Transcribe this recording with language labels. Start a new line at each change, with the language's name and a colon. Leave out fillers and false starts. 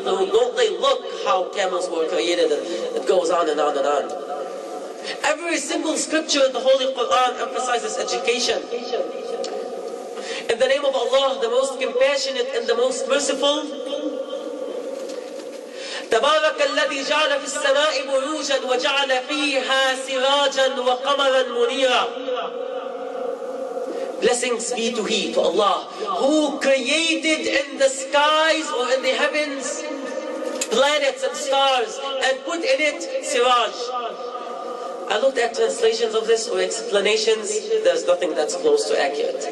English: Don't they look how camels were created? It goes on and on and on. Every single scripture in the Holy Quran emphasizes education. In the name of Allah, the most compassionate and the most merciful.
Arabic: تبارك الذي جعل في السماء بروجا وجعل فيها سراجا وقمرا منيرا.
English: Blessings be to He, to Allah, who created in the skies or in the heavens planets and stars and put in it siraj. I looked at translations of this or explanations. There's nothing that's close to accurate.